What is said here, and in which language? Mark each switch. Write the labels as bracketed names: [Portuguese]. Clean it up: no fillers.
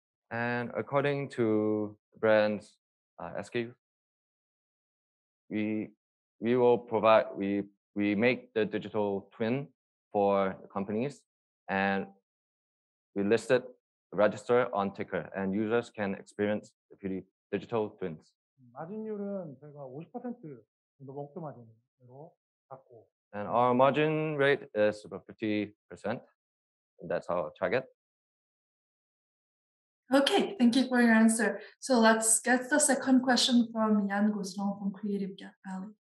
[English] And according to the brand's SKU, we will provide, we make the digital twin for companies, and we list it, register on ticker, and users can experience the beauty digital twins. [Korean] 마진율은 저희가 50% 정도 목표 마진으로 잡고. [English] And our margin rate is about 50%, and that's our target. Okay, thank you for your answer. So let's get the second question from Yan Guzong from Creative Valley.